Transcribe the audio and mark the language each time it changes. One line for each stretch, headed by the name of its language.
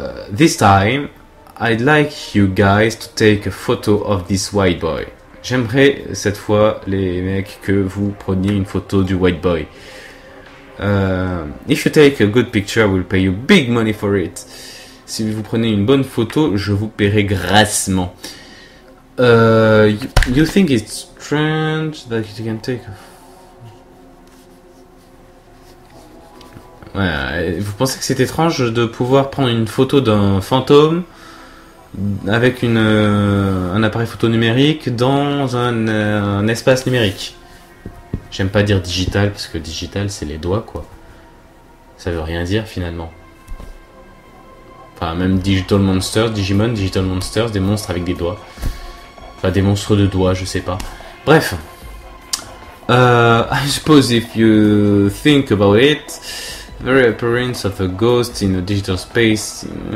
English: This time, I'd like you guys to take a photo of this white boy.
French: J'aimerais cette fois, les mecs, que vous preniez une photo du
English: white boy. If you take a good picture, I will pay you big money for it.
French: Si vous prenez une bonne photo, je vous paierai grassement.
English: You think it's strange that you can take a...
French: Ouais, vous pensez que c'est étrange de pouvoir prendre une photo d'un fantôme avec un appareil photo numérique dans un espace numérique? J'aime pas dire digital, parce que digital, c'est les doigts, quoi. Ça veut rien dire, finalement. Enfin, même Digital Monsters, Digimon, Digital Monsters, des monstres avec des doigts. Enfin, des monstres de doigts, je sais pas. Bref.
English: I suppose if you think about it, the appearance of a ghost in a digital space...